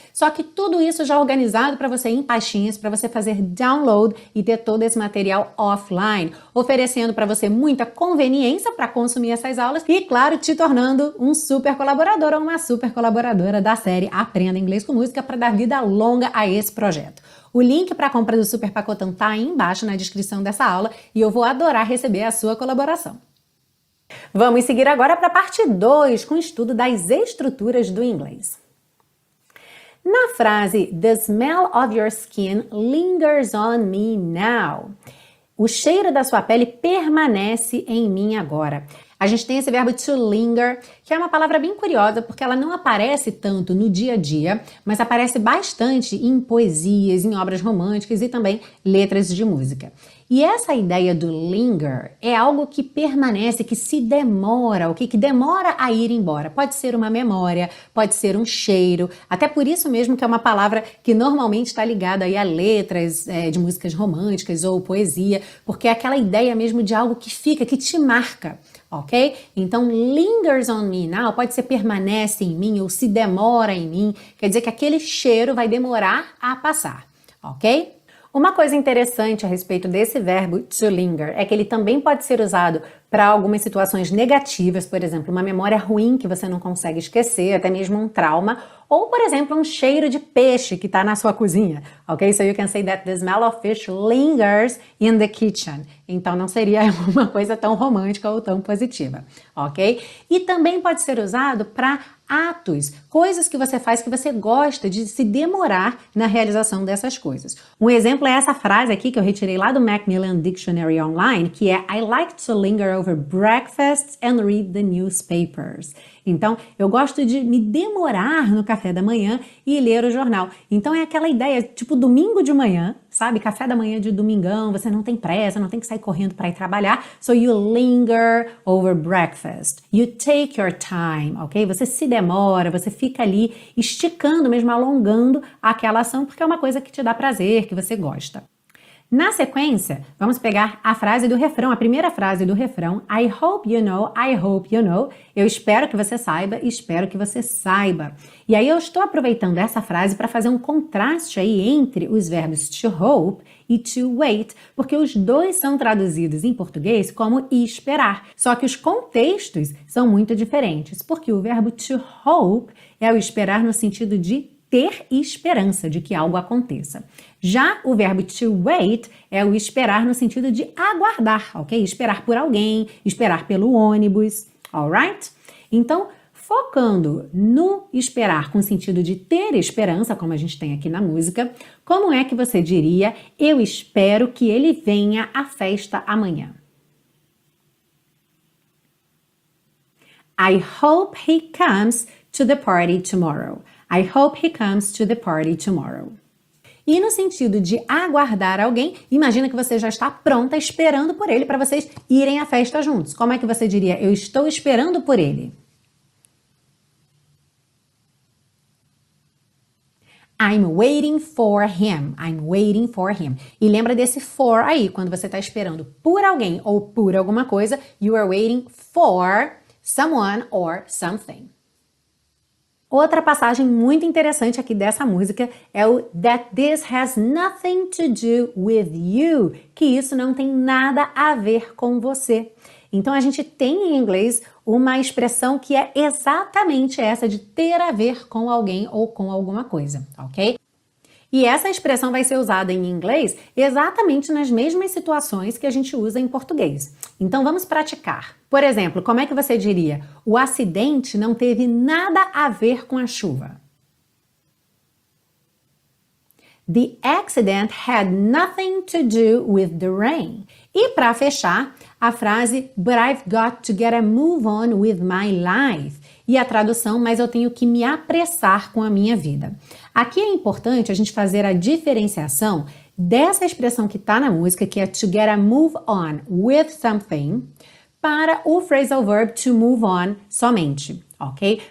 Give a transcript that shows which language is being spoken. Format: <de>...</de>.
<pt>só que tudo isso já organizado para você em pastinhas, para você fazer download e ter todo esse material offline, oferecendo para você muita conveniência para consumir essas aulas e, claro, te tornando um super colaborador ou uma super colaboradora da série Aprenda Inglês com Música para dar vida longa a esse projeto. O link para a compra do Super Pacotão está aí embaixo na descrição dessa aula e eu vou adorar receber a sua colaboração. Vamos seguir agora para a parte 2, com o estudo das estruturas do inglês. Na frase,</pt> <en>the smell of your skin lingers on me now.</en> <pt>O cheiro da sua pele permanece em mim agora. A gente tem esse verbo to linger, que é uma palavra bem curiosa, porque ela não aparece tanto no dia a dia, mas aparece bastante em poesias, em obras românticas e também letras de música. E essa ideia do linger é algo que permanece, que se demora, o que demora a ir embora. Pode ser uma memória, pode ser um cheiro, até por isso mesmo que é uma palavra que normalmente está ligada aí a letras de músicas românticas ou poesia, porque é aquela ideia mesmo de algo que fica, que te marca. Ok? Então,</pt> <en>lingers on me now,</en> <pt>pode ser permanece em mim ou se demora em mim, quer dizer que aquele cheiro vai demorar a passar, ok? Uma coisa interessante a respeito desse verbo to linger é que ele também pode ser usado para algumas situações negativas, por exemplo, uma memória ruim que você não consegue esquecer, até mesmo um trauma, ou, por exemplo, um cheiro de peixe que está na sua cozinha, ok?</pt> <en>So you can say that the smell of fish lingers in the kitchen.</en> <pt>Então não seria uma coisa tão romântica ou tão positiva, ok? E também pode ser usado para atos, coisas que você faz que você gosta de se demorar na realização dessas coisas. Um exemplo é essa frase aqui que eu retirei lá do Macmillan Dictionary Online, que é</pt> <en>I like to linger over breakfasts and read the newspapers.</en> <pt>Então, eu gosto de me demorar no café da manhã e ler o jornal. Então, é aquela ideia, tipo, domingo de manhã, sabe? Café da manhã de domingão, você não tem pressa, não tem que sair correndo para ir trabalhar.</pt> <en>So, you linger over breakfast. You take your time, ok?</en> <pt>Você se demora, você fica ali esticando mesmo, alongando aquela ação, porque é uma coisa que te dá prazer, que você gosta. Na sequência, vamos pegar a frase do refrão, a primeira frase do refrão.</pt> <en>I hope you know, I hope you know.</en> <pt>Eu espero que você saiba, espero que você saiba. E aí eu estou aproveitando essa frase para fazer um contraste aí entre os verbos to hope e to wait, porque os dois são traduzidos em português como esperar. Só que os contextos são muito diferentes, porque o verbo to hope é o esperar no sentido de ter esperança de que algo aconteça. Já o verbo to wait é o esperar no sentido de aguardar, ok? Esperar por alguém, esperar pelo ônibus, alright? Então, focando no esperar com sentido de ter esperança, como a gente tem aqui na música, como é que você diria eu espero que ele venha à festa amanhã?</pt> <en>I hope he comes to the party tomorrow. I hope he comes to the party tomorrow.</en> <pt>E no sentido de aguardar alguém, imagina que você já está pronta esperando por ele para vocês irem à festa juntos. Como é que você diria, eu estou esperando por ele?</pt> <en>I'm waiting for him. I'm waiting for him.</en> <pt>E lembra desse for aí, quando você está esperando por alguém ou por alguma coisa,</pt> <en>you are waiting for someone or something.</en> <pt>Outra passagem muito interessante aqui dessa música é o</pt> <en>that this has nothing to do with you,</en> <pt>que isso não tem nada a ver com você. Então a gente tem em inglês uma expressão que é exatamente essa de ter a ver com alguém ou com alguma coisa, ok? E essa expressão vai ser usada em inglês exatamente nas mesmas situações que a gente usa em português. Então vamos praticar. Por exemplo, como é que você diria? O acidente não teve nada a ver com a chuva.</pt> <en>The accident had nothing to do with the rain.</en> <pt>E para fechar, a frase</pt> <en>But I've got to get a move on with my life.</en> <pt>E a tradução, mas eu tenho que me apressar com a minha vida. Aqui é importante a gente fazer a diferenciação dessa expressão que está na música, que é</pt> <en>to get a move on with something,</en> <pt>para o phrasal verb to move on somente, ok?</pt>